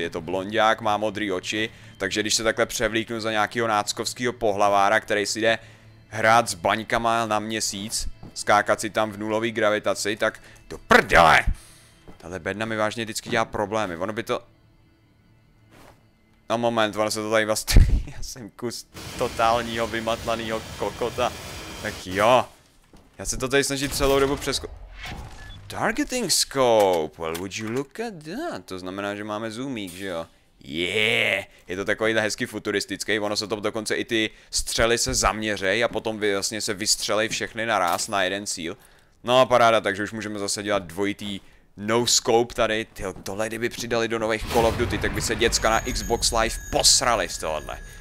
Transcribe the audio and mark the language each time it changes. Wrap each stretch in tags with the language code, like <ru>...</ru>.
<cs>Je to blondiák, má modrý oči, takže když se takhle převlíknu za nějakého náckovského pohlavára, který si jde hrát s baňkama na měsíc, skákat si tam v nulový gravitaci, tak do prdele! Tahle bedna mi vážně vždycky dělá problémy, ono by to... No moment, ono se to tady vlastně... Já jsem kus totálního vymatlanýho kokota. Tak jo. Já se to tady snažím celou dobu přesko...</cs> <en>Targeting scope, well would you look at that?</en> <cs>To znamená, že máme zoomík, že jo? Yeah, je to takovýhle hezky futuristický, ono se to dokonce i ty střely se zaměřej a potom vlastně se vystřelej všechny naraz na jeden cíl. No a paráda, takže už můžeme zase dělat dvojitý no scope tady. Tyjo, tohle kdyby přidali do nových Call of Duty, tak by se děcka na Xbox Live posrali z tohohle.</cs>